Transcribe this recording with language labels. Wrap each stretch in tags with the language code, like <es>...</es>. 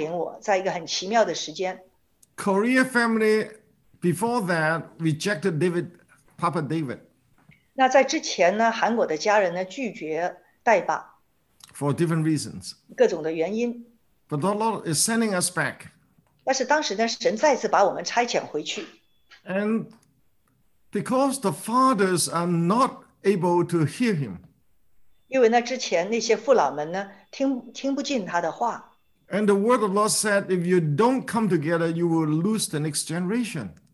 <zh>所以呢，我后来就发现圣灵带领我在一个很奇妙的时间。Korea</zh> <en>family before that rejected David, Papa David.</en> <zh>那在之前呢，韩国的家人呢拒绝代爸。 For</zh> <en>different reasons.</en> <zh>各种的原因。 But</zh> <en>the Lord is sending us back.</en> <zh>但是当时呢，神再次把我们差遣回去。 And</zh> <en>because the fathers are not able to hear him.</en> <zh>因为那之前那些父老们呢，听不进他的话。 And</zh> <en>the word of the Lord said, if you don't come together, you will lose the next generation.</en>